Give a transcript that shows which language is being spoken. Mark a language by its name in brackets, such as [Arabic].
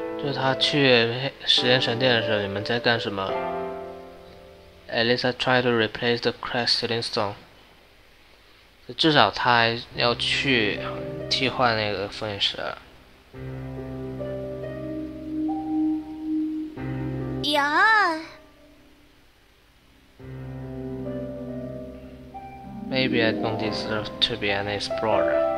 [Chinese] 就他去实验神殿的时候，你们在干什么？ [English] Elisa tried to replace the cracked ceiling stone. [Chinese] 至少他要去替换那个封印石。呀。 [English] Maybe I don't deserve to be an explorer.